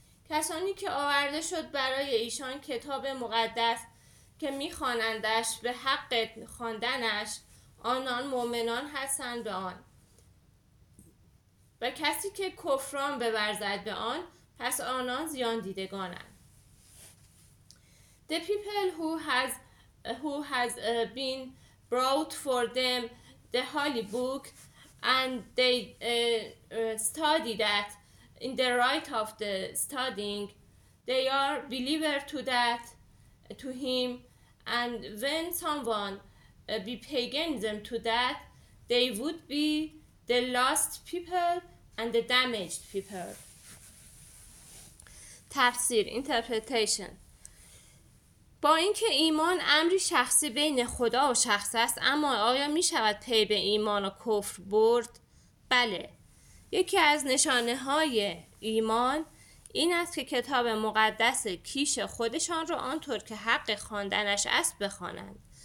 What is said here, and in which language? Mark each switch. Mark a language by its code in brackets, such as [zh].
[fa] کسانی که آورده شد برای ایشان کتاب مقدس که میخوانندش به حق خواندنش، آنان مؤمنان هستند به آن و کسی که کفران بورزد به آن، پس آنان زیان دیدگانند. [en] The people who has who has been brought for them the holy book, and they study that in the right of the studying, they are believer to that, to him. And when someone be paganism to that, they would be the lost people and the damaged people. [fa] تفسیر [en] interpretation. [fa] با اینکه ایمان امری شخصی بین خدا و شخص است، اما آیا می شود پی به ایمان و کفر برد؟ بله. یکی از نشانه های ایمان این است که کتاب مقدس کیش خودشان را آنطور که حق خواندنش است بخوانند.